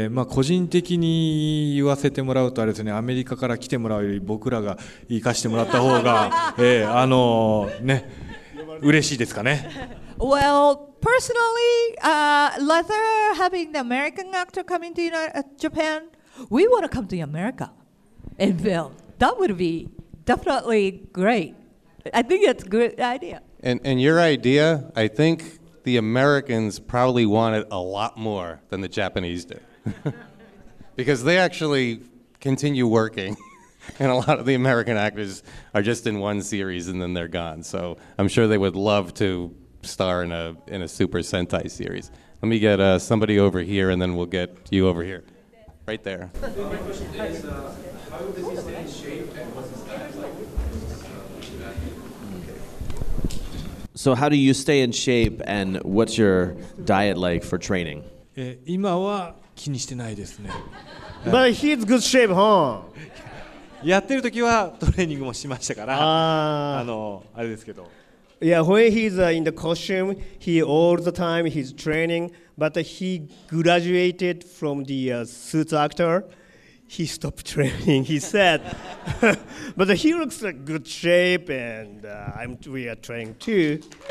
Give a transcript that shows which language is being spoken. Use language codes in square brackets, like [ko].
[ja] 個人的に言わせてもらうとあれですね、アメリカから来てもらうより僕らが行かしてもらった方が、ね、嬉しいですかね。 [en] Well, personally, rather having the American actor coming to Japan, we want to come to America and film. That would be definitely great. I think it's a good idea. And your idea, I think... The Americans probably want it a lot more than the Japanese do. Because they actually continue working. And a lot of the American actors are just in one series and then they're gone. So I'm sure they would love to star in a Super Sentai series. Let me get somebody over here and then we'll get you over here. Right there. Well, my question is, how does he stay in shape and what's his diet like? So how do you stay in shape and what's your diet like for training? But he's good shape, huh? [ja] やってる時はトレーニングもしましたから、あれですけど。 [en] Yeah, when he's in the costume, he all the time he's training, but he graduated from the suit actor, he stopped training, he said. But he looks like good shape and we are training too.